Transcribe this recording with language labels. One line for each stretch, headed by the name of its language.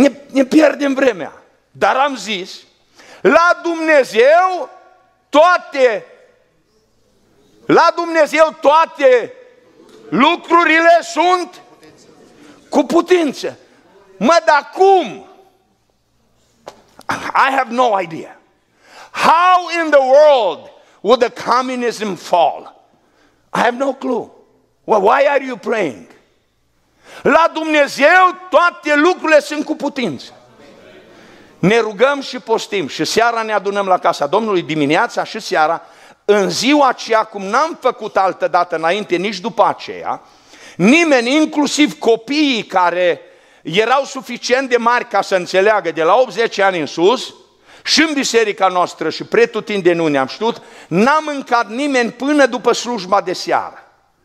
Romanian: Ne pierdem vremea. Dar am zis, la Dumnezeu toate, la Dumnezeu toate lucrurile sunt cu putință. Mă, dar cum?
English: I have no idea. How in the world would the communism fall? I have no clue. Well, why are you praying?
Romanian: La Dumnezeu toate lucrurile sunt cu putință. Ne rugăm și postim și seara ne adunăm la casa Domnului, dimineața și seara, în ziua aceea, cum n-am făcut altă dată înainte, nici după aceea, nimeni, inclusiv copiii care erau suficient de mari ca să înțeleagă de la 80 ani în sus, și în biserica noastră și pretutindeni unde am știut, n-am mâncat nimeni până după slujba de seară.